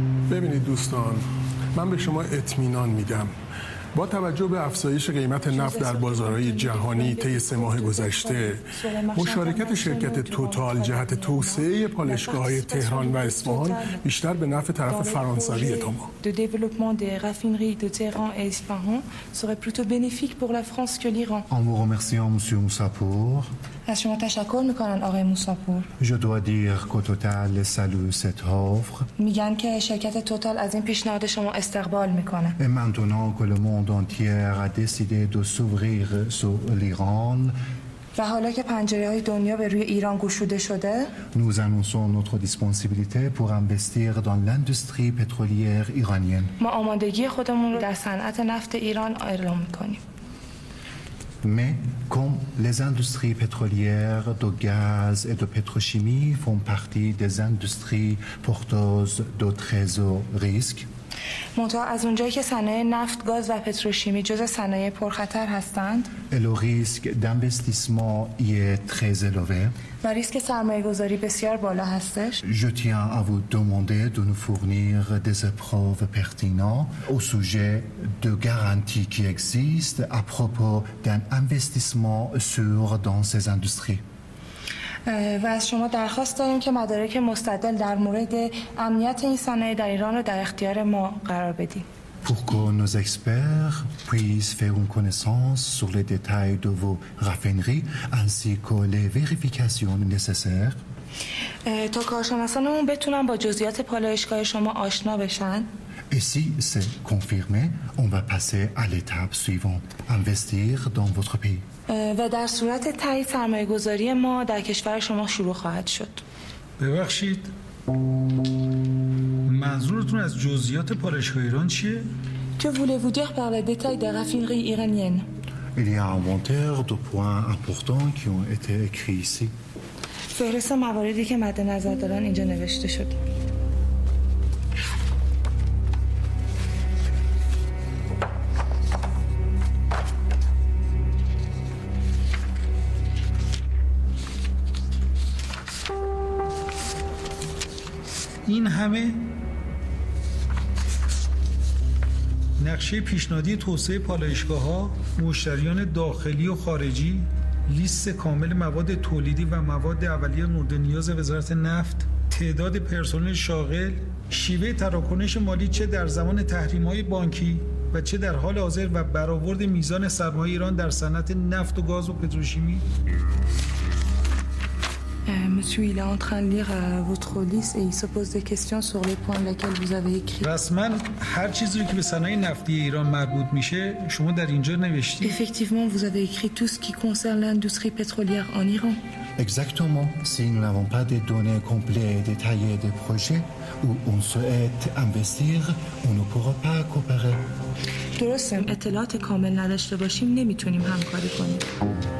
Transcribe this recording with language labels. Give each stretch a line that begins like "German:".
Persian: ببینید دوستان، من به شما اطمینان میدم. با توجه به افزایش قیمت نفت در بازارهای جهانی طی 3 ماه گذشته، مشارکت شرکت توتال جهت توسعه پالایشگاه‌های تهران و اصفهان بیشتر به نفع طرف فرانسوی تا ما.
French: De développement des raffineries de Téhéran et Isfahan serait plutôt bénéfique pour la France que l'Iran. En vous remerciant monsieur Moussapour.
Persian: از شما تشکر میکنن آقای موساپور.
French: Je dois dire que Total salue cette offre.
Persian: میگن که شرکت توتال از این پیشنهاد شما استقبال میکنه.
French: Et maintenant que le monde entier a décidé de s'ouvrir sur l'Iran.
Persian: و حالا که پنجره های دنیا به روی ایران گشوده شده.
French: Nous annonçons notre disponibilité pour investir dans l'industrie pétrolière iranienne.
Persian: ما آمادگی خودمون رو در صنعت نفت ایران اعلام میکنیم.
French: Mais comme les industries pétrolières, de gaz et de pétrochimie font partie des industries porteuses de très haut risque.
Persian: Montant از اونجایی که صنایع نفت، گاز و پتروشیمی جزء صنایع پرخطر هستند.
French: Le risque d'investissement y est très élevé.
Persian: و ریسک سرمایه‌گذاری بسیار بالا هستش.
French: Je tiens à vous demander de nous fournir des preuves pertinentes au sujet de garanties qui existent à propos d'un investissement sûr dans ces industries.
Persian: و از شما درخواست داریم که مدارک مستدل در مورد امنیت این صنایع در ایران رو در اختیار ما قرار بدید.
French: Pour que nos experts puissent faire une connaissance sur les détails de vos raffineries ainsi que les vérifications nécessaires.
Persian: تا کارشناسانمون بتونن با جزئیات پالایشگاه شما آشنا بشن.
French: Et si c'est confirmé, on va passer à l'étape suivante, investir dans votre pays.
Persian: و در صورت تایید سرمایه‌گذاری ما در کشور شما شروع خواهد شد. ببخشید، منظورتون از جزئیات پالایشگاه ایران چیه؟
French: Que voulez-vous dire par les détails des raffineries iraniennes? Il y a un inventaire de points importants qui ont été écrits ici.
Persian: فهرست مواردی که مد نظر دارن اینجا نوشته شده. این همه نقشه پیشنهادی توسعه پالایشگاه ها، مشتریان داخلی و خارجی، لیست کامل مواد تولیدی و مواد اولیه مورد نیاز وزارت نفت، تعداد پرسنل شاغل، شیوه تراکنش مالی چه در زمان تحریم های بانکی و چه در حال حاضر و برآورد میزان سرمایه ایران در صنعت نفت و گاز و پتروشیمی.
French: Monsieur, il est en train de lire votre liste et il se pose des questions sur les points lesquels vous avez écrit.
Persian: Rasman, هر چیزی که به صنایع نفتی ایران مربوط میشه شما در اینجا نوشتید.
French: Effectivement, vous avez écrit tout ce qui concerne l'industrie pétrolière en Iran. Exactement. Si nous n'avons pas des données complètes et détaillées des projets où on souhaite investir, on ne pourra pas coopérer.
Persian: درسته. اطلاعات کامل نداشته باشیم نمیتونیم همکاری کنیم.